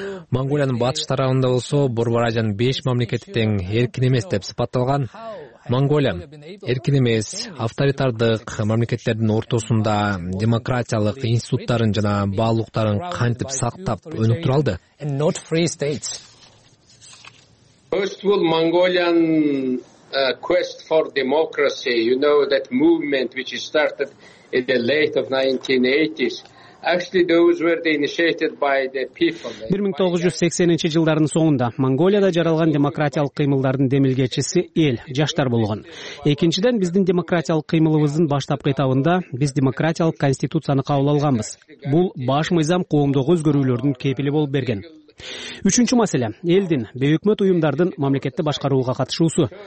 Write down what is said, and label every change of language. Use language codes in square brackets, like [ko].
[ky] Монголиянын батыш тарабында болсо Борбор Азиянын 5 мамлекети тең эркин эмес деп сыпатталган. Монголия эркин эмес авторитардык мамлекеттердин ортосунда демократиялык институттарын жана баалуулуктарын кантип сактап өнүктүрө алды? [en] First of all, Mongolian quest for democracy, you know, that movement which started in the late of 1980s, actually those were the initiated by the people. [ky] 1980 жылдарынын соңунда Монголияда жаралган демократиялык кыймылдардын демилгечиси эл, жаштар болгон. Экинчиден, биздин демократиялык кыймылыбыздын баштапкы этабында биз демократиялык конституцияны кабыл алганбыз. Бул баш мыйзам коомдогу өзгөрүүлөрдүн кепили болуп берген. Үчүнчү маселе элдин бейөкмөт уюмдардын мамлекетти башкарууга катышуусу.